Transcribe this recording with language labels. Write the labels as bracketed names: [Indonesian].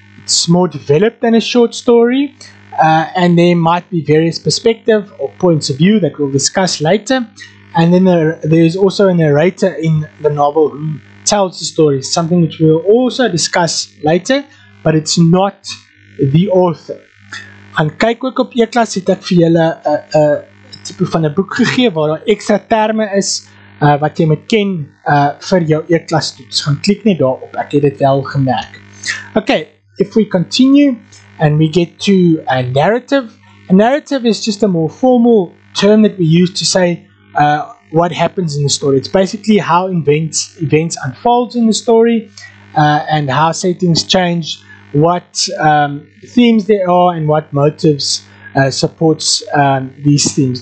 [English] It's more developed than a short story, and there might be various perspective or points of view that we'll discuss later. And then there's also a narrator in the novel who tells the story, something which we'll also discuss later, but it's not the author. [Afrikaans] Gaan kyk ook op e-klas, het ek vir julle tipe van 'n boek gegee waar daar extra terme is wat jy moet ken vir jou e-klas toets. Gaan klik net daar op, ek het dit wel gemerk. [English] Okay, if we continue and we get to a narrative is just a more formal term that we use to say what happens in the story. It's basically how events unfold in the story, and how settings change, what themes there are, and what motives supports these themes.